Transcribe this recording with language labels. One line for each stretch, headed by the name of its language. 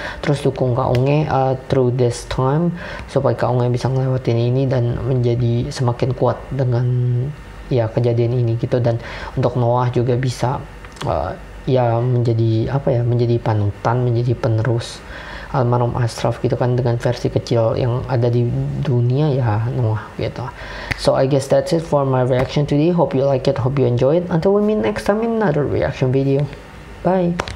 Indonesian: Terus dukung Kak Unge
English: through this time.
Indonesian: Supaya Kak Unge bisa ngelewatin ini dan menjadi semakin kuat dengan ya kejadian ini gitu. Dan untuk Noah juga bisa ya menjadi apa ya, menjadi panutan, menjadi penerus almarhum Ashraf gitu kan, dengan versi kecil yang ada di dunia ya Noah gitu.
English: So I guess that's it for my reaction today. Hope you like it, hope you enjoy it. Until we meet next time in another reaction video. Bye.